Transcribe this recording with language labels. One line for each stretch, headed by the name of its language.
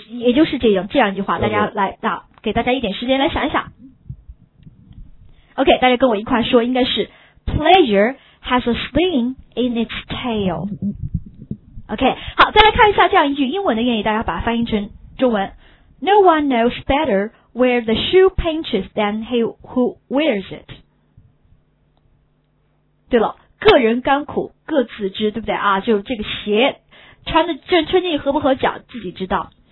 Chinese: 也就是这样一句话，大家来啊，给大家一点时间来想一想。 OK， 大家跟我一块说，应该是 Pleasure has a sting in its tail。 OK， 好，再来看一下这样一句英文的谚语，大家把它翻译成中文。
English: No one knows better where the shoe pinches than he who wears it。
Chinese: 对了，个人甘苦各自知，对不对啊？就这个鞋穿的这穿进去合不合脚自己知道。